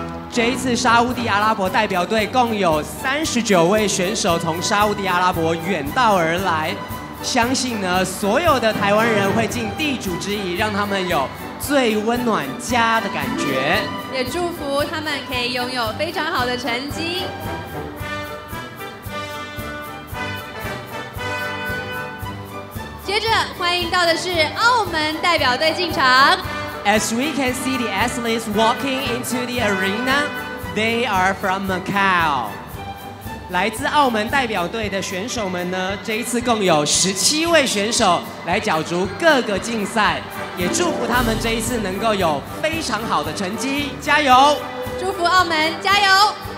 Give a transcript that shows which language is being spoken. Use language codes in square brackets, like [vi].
[zh] 这一次沙烏地阿拉伯代表队共有39位选手从沙烏地阿拉伯远道而来，相信呢所有的台湾人会尽地主之谊，让他们有最温暖家的感觉，也祝福他们可以拥有非常好的成绩。接着欢迎到的是澳门代表队进场。 [en] As we can see the athletes walking into the arena, they are from Macau. [zh] 来自澳门代表队的选手们呢，这一次共有17位选手来角逐各个竞赛，也祝福他们这一次能够有非常好的成绩，加油，祝福澳门加油。